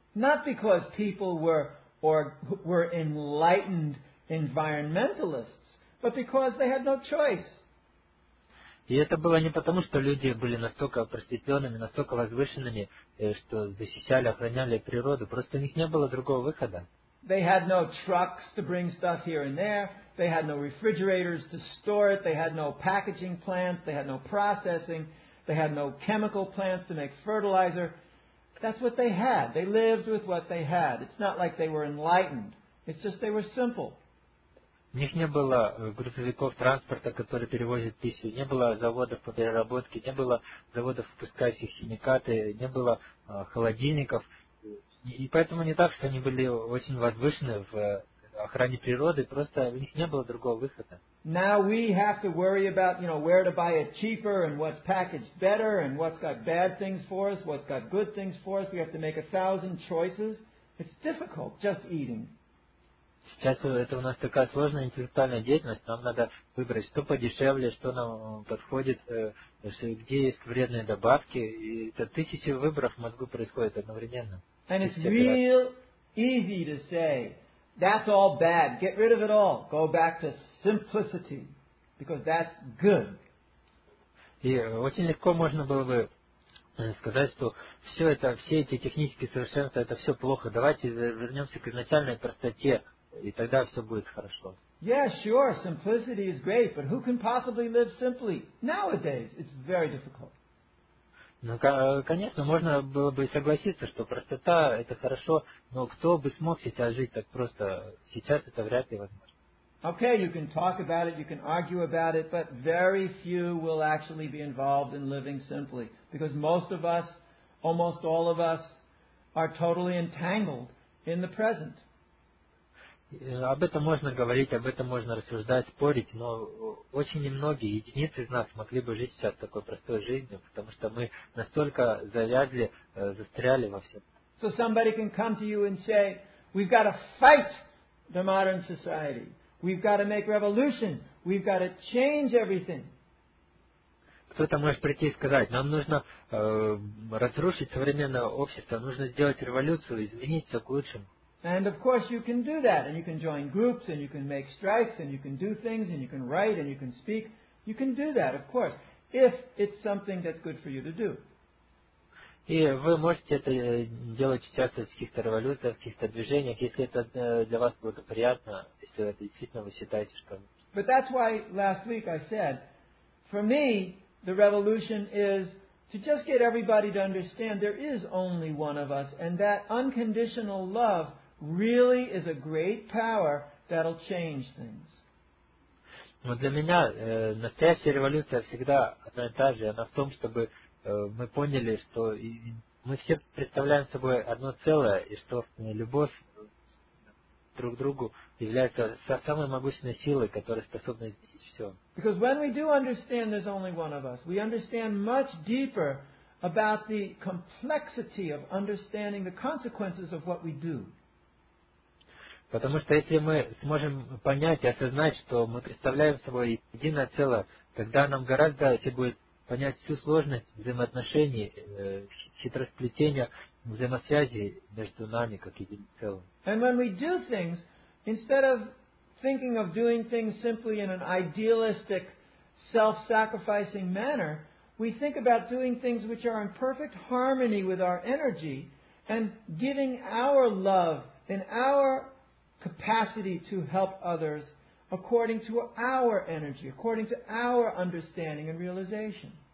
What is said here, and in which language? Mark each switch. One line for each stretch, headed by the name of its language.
English: Not because people were enlightened environmentalists. But because they had no choice.
Russian: И это было не потому, что люди были настолько просветленными, настолько возвышенными, что защищали, охраняли природу. Просто у них не было другого выхода.
English: They had no trucks to bring stuff here and there. They had no refrigerators to store it. They had no packaging plants. They had no processing. They had no chemical plants to make fertilizer. That's what they had. They lived with what they had. It's not like they were enlightened. It's just they were simple.
Russian: У них не было грузовиков транспорта, который перевозит пищу, не было заводов по переработке, не было заводов, впускающих химикаты, не было холодильников. И поэтому не так, что они были очень возвышены в охране природы, просто у них не было другого выхода.
English: Now we have to worry about, you know, where to buy it cheaper and what's packaged better and what's got bad things for us, what's got good things for us. We have to make 1,000 choices. It's difficult just eating.
Russian: Сейчас это у нас такая сложная интеллектуальная деятельность, нам надо выбрать, что подешевле, что нам подходит, где есть вредные добавки, и это тысячи выборов в мозгу происходит одновременно.
English: And it's real easy to say, that's all bad, get rid of it all, go back to simplicity, because that's good.
Russian: И очень легко можно было бы сказать, что все это, все эти технические совершенства, это все плохо, давайте вернемся к изначальной простоте. И тогда все будет хорошо.
English: Yeah, sure, simplicity is great, but who can possibly live simply? Nowadays, it's very difficult.
Russian: Ну, конечно, можно было бы согласиться, что простота – это хорошо, но кто бы смог сейчас жить так просто? Сейчас это вряд ли возможно.
English: Okay, you can talk about it, you can argue about it, but very few will actually be involved in living simply, because most of us, almost all of us, are totally entangled in the present.
Russian: Об этом можно говорить, об этом можно рассуждать, спорить, но очень немногие, единицы из нас могли бы жить сейчас такой простой жизнью, потому что мы настолько завязли, застряли во всем.
English: So somebody can come to you and say, we've got to fight the modern society. We've got to make revolution. We've got to change everything.
Russian: Кто-то может прийти и сказать, нам нужно разрушить современное общество, нужно сделать революцию, изменить все к лучшему.
English: And of course you can do that, and you can join groups, and you can make strikes, and you can do things, and you can write, and you can speak. You can do that, of course, if it's something that's good for you to do.
Russian: И вы можете это делать, участвовать в каких-то революциях, в каких-то движениях, если это для вас благоприятно, если это действительно вы считаете, что...
English: But that's why last week I said, for me, the revolution is to just get everybody to understand there is only one of us, and that unconditional love really is a great power that'll change things.
Russian: Но для меня настоящая революция всегда одна и та же. Она в том, чтобы мы поняли, что мы все представляем собой одно целое, и что любовь друг к другу является самой могущественной силой, которая способна изменить все.
English: Because when we do understand there's only one of us, we understand much deeper about the complexity of understanding the consequences of what we do.
Russian: Потому что если мы сможем понять и осознать, что мы представляем собой единое целое, тогда нам гораздо легче будет понять всю сложность взаимоотношений, хитросплетения, взаимосвязи между нами как единым целым.
English: And when we do things, instead of thinking of doing things simply in an idealistic, self-sacrificing manner, we think about doing things which are in perfect harmony with our energy and giving our love and our capacity to help others according to our energy, according to our understanding and realization.